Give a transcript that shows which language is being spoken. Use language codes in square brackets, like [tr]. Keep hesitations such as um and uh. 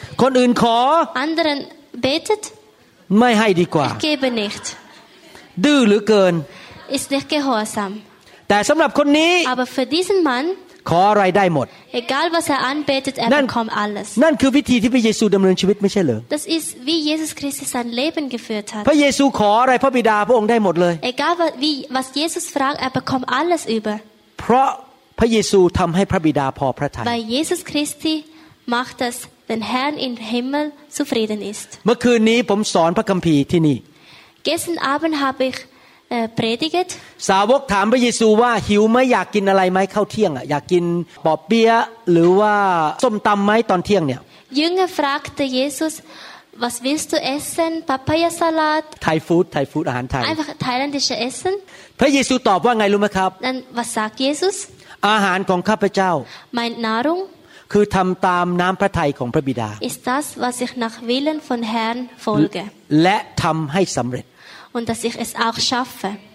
[th] คนอื่นขอ [de] Anderen betet. [th] ไม่ให้ดีกว่ [de] า Ich gebe nicht. [th] ดื้อหรือเกิน [de] Ist nicht gehorsam. [th] แต่สำหรับคนนี้ [de] Aber für diesen Mann [th] ขออะไรได้หมด [de] Egal, was er anbetet, er นั่น bekommt alles. [th] นั่นคือวิธีที่พระเยซูดำเนินชีวิตไม่ใช่เหรอ [de] Das ist wie Jesus Christus sein Leben geführt hat. [th] พระเยซู ขออะไรพระบิดาพระองค์ได้หมดเลย [de] Egal wie was Jesus fragt er bekommt alles über. [th] เพราะพระเยซูทำให้พระบิดาพอพระทัย [de] Weil Jesus Christi macht das den Herrn im Himmel zufrieden ist. [th] เมื่อคืนนี้ผมสอนพระคัมภีร์ที่นี่ [de] Gestern Abend habe ich predigt. [th] สาวกถามพระเยซูว่าหิวไหมอยากกินอะไรไหมเข้าเที่ยงอ่ะอยากกินปอบเปี๊ยะหรือว่าส้มตำไหมตอนเที่ยงเนี่ย [de] Jünger fragte Jesus Was willst du essen? Papaya Salat? [en] Thai Food, Thai Food, Ahan Thai. [de] Einfach thailändische Essen. [th] พระเยซูตอบว่าไงรู้ไหมครับ [de] Dann was sagt Jesus? [th] อาหารของข้าพเจ้า [de] Mein Nahrung. [th] คือทำตามน้ำพระทัยของพระบิดา [de] Ist das, was ich nach Willen von Herrn folge? [th] และทำให้สำเร็จ [de] und dass ich es auch schaffe.